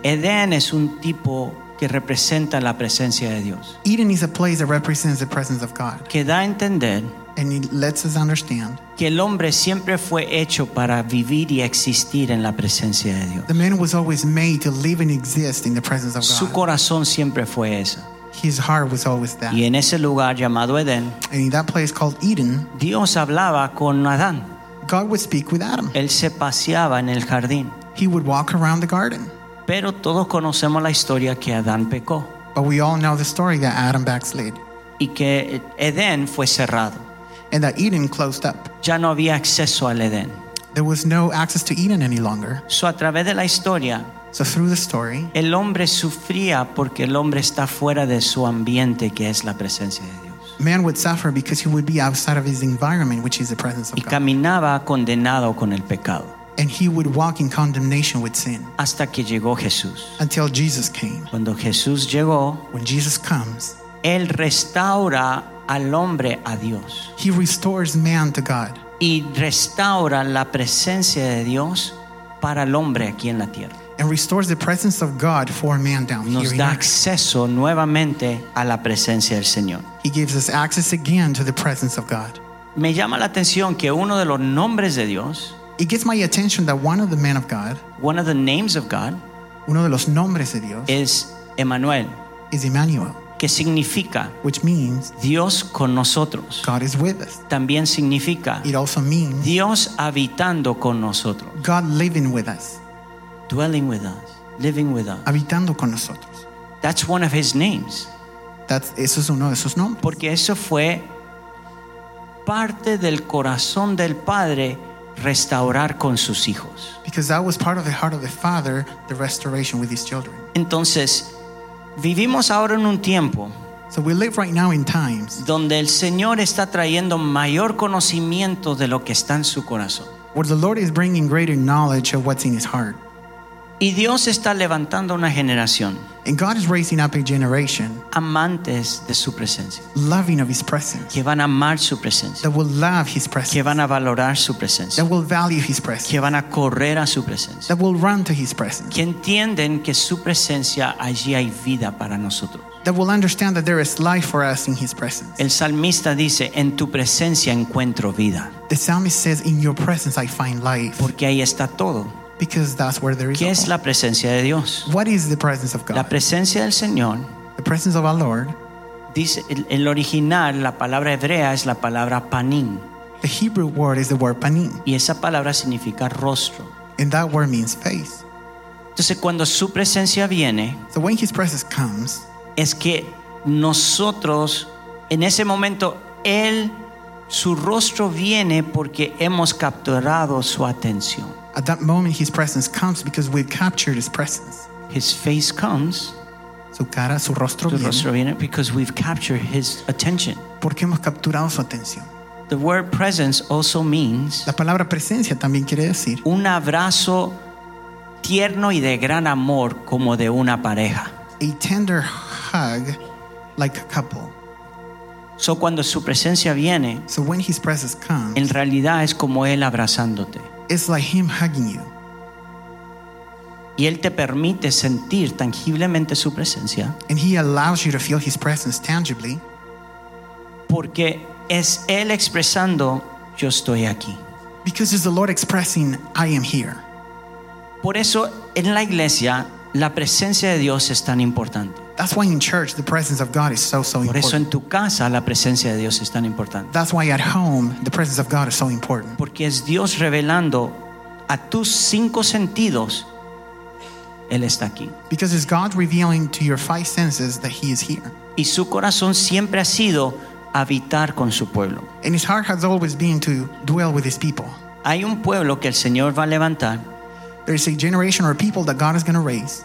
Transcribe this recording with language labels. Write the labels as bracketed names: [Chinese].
[Spanish] Edén es un tipo que representa la presencia de Dios. [English] Eden is a place that represents the presence of God. [Spanish] Que da a entender, [English] and it lets us understand, [Spanish] que el hombre siempre fue hecho para vivir y existir en la presencia de Dios. [English] The man was always made to live and exist in the presence of God. [Spanish] Su corazón siempre fue eso. [English] His heart was always that. [Spanish] Y en ese lugar llamado Edén, [English] and in that place called Eden, [Spanish] Dios hablaba con Adán. [English] God would speak with Adam. [Spanish] Él se paseaba en el jardín. [English] He would walk around the garden. [Spanish] Pero todos conocemos la historia que Adán pecó. [English] But we all know the story that Adam backslid. [Spanish] Y que Edén fue cerrado. [English] And that Eden closed up. [Spanish] Ya no había acceso al Edén. [English] There was no access to Eden any longer. [Spanish] So a través de la historia, [English] so through the story, [Spanish] el hombre sufría porque el hombre está fuera de su ambiente, que es la presencia de Dios. [English] Man would suffer because he would be outside of his environment, which is the presence of [Spanish] God. Y caminaba condenado con el pecado. [English] And he would walk in condemnation with sin. [Spanish] Hasta que llegó Jesús. [English] Until Jesus came. [Spanish] Cuando Jesús llegó, [English] when Jesus comes, [Spanish] él restaura al hombre a Dios. [English] He restores man to God. [Spanish] Y restaura la presencia de Dios para el hombre aquí en la tierra. [English] And restores the presence of God for man down [Spanish] nos Nos da acceso nuevamente a la presencia del Señor. [English] He gives us access again to the presence of God. [Spanish] Me llama la atención que uno de los nombres de Dios, [English] it gets my attention that one of the men of God, one of the names of God, [Spanish] uno de los nombres de Dios, [English] is Emmanuel, is Emmanuel, [Spanish] que significa, [English] which means [Spanish] Dios con nosotros, [English] God is with us, [Spanish] también significa, [English] it also means [Spanish] Dios habitando con nosotros, [English] God living with us, dwelling with us, living with us, [Spanish] habitando con nosotros. [English] That's one of his names. That's, [Spanish] eso es uno de sus nombres. Porque eso fue parte del corazón del Padre restaurar con sus hijos. [English] Because that was part of the heart of the father, the restoration with his children. [Spanish] Entonces, vivimos ahora en un tiempo, [English] so we live right now in times, [Spanish] donde el Señor está trayendo mayor conocimiento de lo que está en su corazón. [English] Where the Lord is bringing greater knowledge of what's in his heart. [Spanish] Y Dios está levantando una generación. [English] And God is raising up a generation. [Spanish] Amantes de su presencia. [English] Loving of his presence. [Spanish] Que van a amar su presencia. [English] That will love his presence. [Spanish] Que van a valorar su presencia. [English] That will value his presence. [Spanish] Que van a correr a su presencia. [English] That will run to his presence. [Spanish] Que entienden que su presencia allí hay vida para nosotros. [English] That will understand that there is life for us in his presence. [Spanish] El salmista dice, en tu presencia encuentro vida. [English] The psalmist says, in your presence I find life. [Spanish] Porque ahí está todo. [English] Because that's where there is. [Spanish] ¿Qué es la presencia de Dios? [English] What is the presence of God? [Spanish] La presencia del Señor. [English] The presence of our Lord. [Spanish] Dice, el original, la palabra hebrea es la palabra panim. [English] The Hebrew word is the word panim. [Spanish] Y esa palabra significa rostro. [English] And that word means face. [Spanish] Entonces, cuando su presencia viene, [English] so when his presence comes, [Spanish] es que nosotros, en ese momento, él, su rostro viene porque hemos capturado su atención. [English] At that moment, his presence comes because we've captured his presence. His face comes. [Spanish] Su cara, su rostro, su rostro viene, [English] because we've captured his attention. [Spanish] Porque hemos capturado su atención. [English] The word presence also means, [Spanish] la palabra presencia también quiere decir, un abrazo tierno y de gran amor como de una pareja. [English] A tender hug like a couple. [Spanish] So cuando su presencia viene, [English] so when his presence comes, [Spanish] en realidad es como él abrazándote. [English] It's like him hugging you. [Spanish] Y él te permite sentir tangiblemente su presencia. [English] And he allows you to feel his presence tangibly. [Spanish] Porque es él expresando, yo estoy aquí. [English] Because it's the Lord expressing, I am here. [Spanish] Por eso en la iglesia la presencia de Dios es tan importante. [English] That's why in church the presence of God is so important. [Spanish] Por eso en tu casa la presencia de Dios es tan importante. [English] That's why at home the presence of God is so important. [Spanish] Porque es Dios revelando a tus cinco sentidos, Él está aquí. [English] Because it's God revealing to your five senses that He is here. [Spanish] Y su corazón siempre ha sido habitar con su pueblo. [English] And His heart has always been to dwell with His people. [Spanish] Hay un pueblo que el Señor va a levantar. [English] There is a generation or people that God is going to raise.